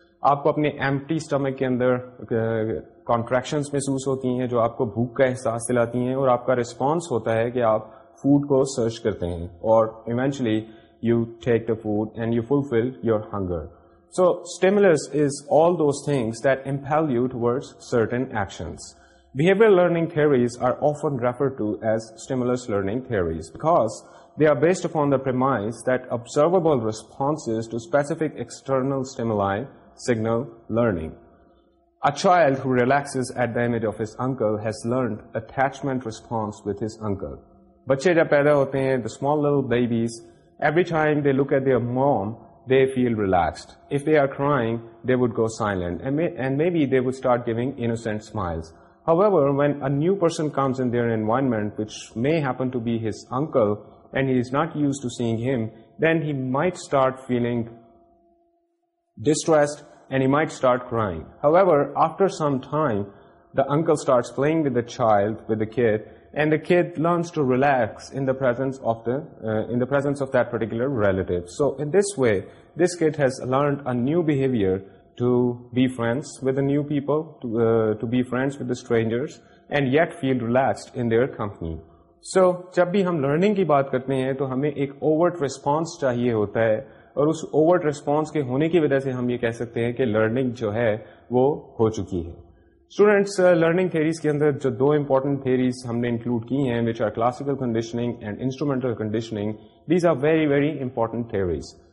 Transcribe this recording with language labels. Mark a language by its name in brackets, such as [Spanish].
[Urdu] آپ کو اپنے ایمٹی اسٹمک کے اندر کانٹریکشنز محسوس ہوتی ہیں جو آپ کو بھوک کا احساس دلاتی ہیں, اور آپ کا ریسپانس ہوتا ہے کہ آپ فوڈ کو سرچ کرتے ہیں اور [English] Eventually you take the food and you fulfil your hunger. So stimulus is all those things that impel you towards certain actions. Behaviour learning theories are often referred to as stimulus learning theories because they are based upon the premise that observable responses to specific external stimuli signal learning. A child who relaxes at the image of his uncle has learned attachment response with his uncle. [Urdu] Bacche jab paida hote hain, [English] the small little babies, every time they look at their mom, they feel relaxed. If they are crying, they would go silent and maybe they would start giving innocent smiles. However, when a new person comes in their environment, which may happen to be his uncle, and he is not used to seeing him, then he might start feeling distressed and he might start crying. However, after some time, the uncle starts playing with the child, with the kid, and the kid learns to relax in the presence of that particular relative. So in this way, this kid has learned a new behavior to be friends with the new people, to be friends with the strangers, and yet feel relaxed in their company. So jab bhi hum [Urdu] learning ki baat karte hain to hame ek overt response chahiye hota hai, اور اس avert response کے ہونے کی وجہ سے ہم یہ کہہ سکتے ہیں کہ لرننگ جو ہے وہ ہو چکی ہے. اسٹوڈینٹس, لرننگ تھیریز کے اندر جو دو امپورٹنٹ تھیریز ہم نے انکلوڈ کی ہیں, [English] Which are classical conditioning and instrumental conditioning, these are very very important theories.